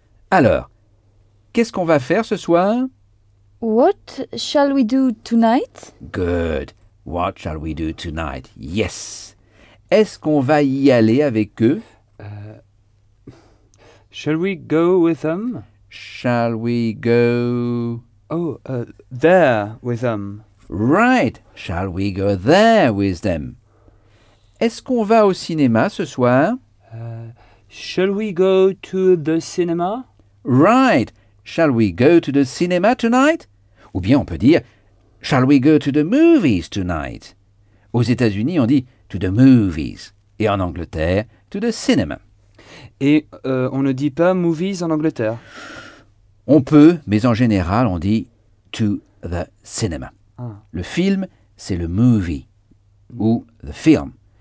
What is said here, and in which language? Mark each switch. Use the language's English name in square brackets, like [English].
[French] Alors, qu'est-ce qu'on va faire ce soir? [English] What shall we do tonight? Good. What shall we do tonight? Yes. [French] Est-ce qu'on va y aller avec eux? [English] Shall we go with them? Shall we go... Oh, there with them. Right. Shall we go there with them? [French] Est-ce qu'on va au cinéma ce soir? [English] Shall we go to the cinema? Right. Shall we go to the cinema tonight? [French] Ou bien on peut dire, [English] shall we go to the movies tonight? [French] Aux États-Unis, on dit [English] to the movies. [French] Et en Angleterre, [English] to the cinema. [French] Et on ne dit pas movies en Angleterre? On peut, mais en général, on dit [English] to the cinema. [French] Le film, c'est le movie, ou the film.